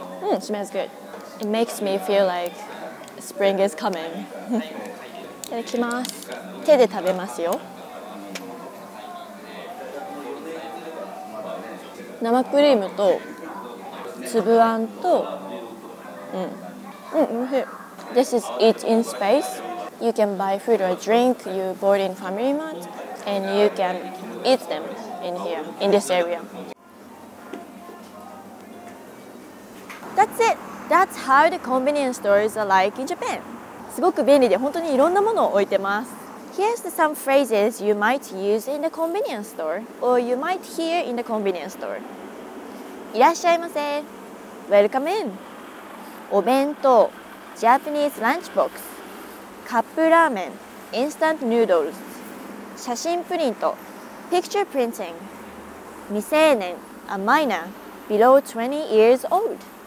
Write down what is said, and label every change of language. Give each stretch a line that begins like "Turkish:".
English: うん、smells good. It makes me feel like spring is coming.
Japanese: いただきます。手で食べますよ。生クリームと粒あんと、うん、うん、おいしい。
English: This is eat in space. You can buy food or drink you bought in Family Mart and you can eat them in here, in this area. That's it! That's how the convenience stores are like in Japan.
Japanese: すごく便利で本当にいろんなものを置いてます。
English: Here's some phrases you might use in the convenience store or you might hear in the convenience store. いらっしゃいませ。Welcome in! お弁当、Japanese lunchbox、カップラーメン、instant noodles、写真プリント、picture printing、未成年、a minor、below 20 years old。